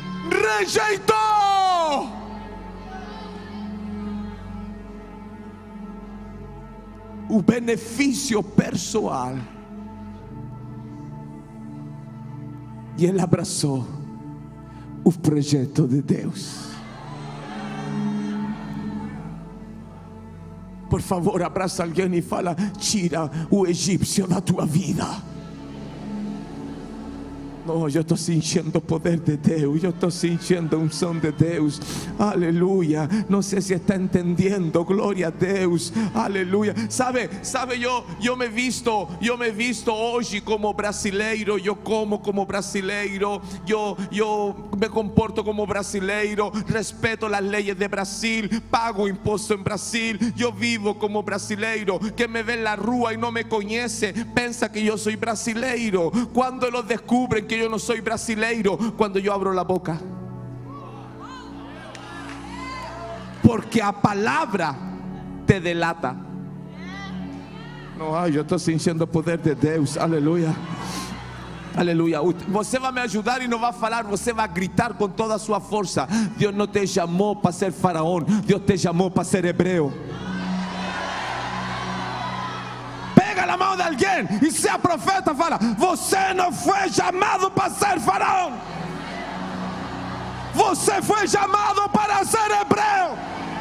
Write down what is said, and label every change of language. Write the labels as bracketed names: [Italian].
[Portuguese] Rejeitou o benefício pessoal e ele abraçou o projeto de Deus. Por favor, abraça alguém e fala: tira o egípcio da tua vida. [Spanish] No, yo estoy sintiendo poder de Dios, yo estoy sintiendo un son de Dios. Aleluya, no sé si está entendiendo, gloria a Dios. Aleluya, sabe yo me he visto hoy como brasileiro. Yo como como brasileiro, yo me comporto como brasileiro, respeto las leyes de Brasil, pago impuesto en Brasil, yo vivo como brasileiro. Que me ve en la rúa y no me conoce, piensa que yo soy brasileiro. Cuando los descubren que yo no soy brasileiro, cuando yo abro la boca, porque a palabra te delata. No, ay, yo estoy sintiendo poder de Dios. Aleluya, aleluya. Você va a me ayudar y no va a falar, você va a gritar con toda su fuerza. Dios no te llamó para ser faraón, Dios te llamó para ser hebreo. Pega la mano de alguien y sea profeta, fala: você no fue llamado para ser faraón, você fue llamado para ser hebreo.